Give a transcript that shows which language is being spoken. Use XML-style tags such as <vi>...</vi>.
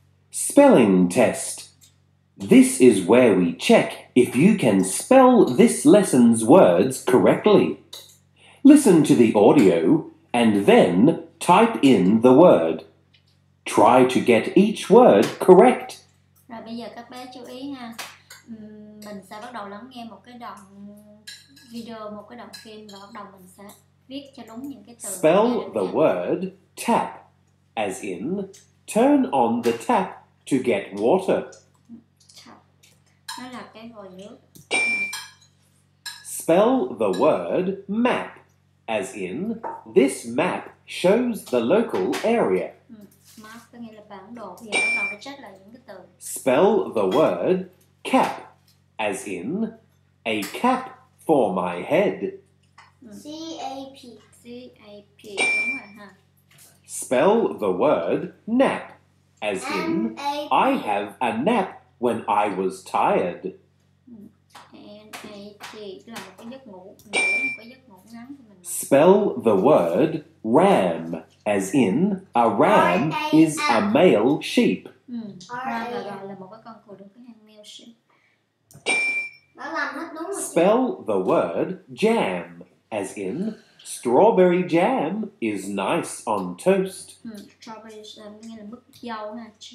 <en>Spelling test. This is where we check if you can spell this lesson's words correctly. Listen to the audio and then type in the word. Try to get each word correct.</en> <vi>Rồi bây giờ các bé chú ý ha. Mình sẽ bắt đầu lắng nghe một cái đoạn video, một cái đoạn phim và bắt đầu mình sẽ viết cho đúng những cái từ.</vi> <en>Spell the word tap, as in turn on the tap to get water.</en> <vi>Đó là cái vòi nước.</vi> <en>Spell the word map, as in this map shows the local area.</en> <vi>Map có nghĩa là bản đồ. Bây giờ bắt đầu phải check lại những cái từ.</vi> <en>Spell the word cap, as in a cap for my head. C-A-P.</en> <vi>C-A-P, đúng rồi ha.</vi> <en>Spell the word nap, as in, N-A-P. I have a nap when I was tired.</en> <vi>N-A-P, tức là một cái giấc ngủ, một cái giấc ngủ ngắn của mình.</vi> <en>Spell the word ram, as in, a ram R-A-M. Is a male sheep.</en> <vi>Ram là một cái con cừu đúng cái hàng male sheep. Đó làm hết đúng rồi.</vi> <en>Spell the word jam, as in, strawberry jam is nice on toast.</en> <vi>Strawberry jam nghĩa là mứt dâu ha.</vi>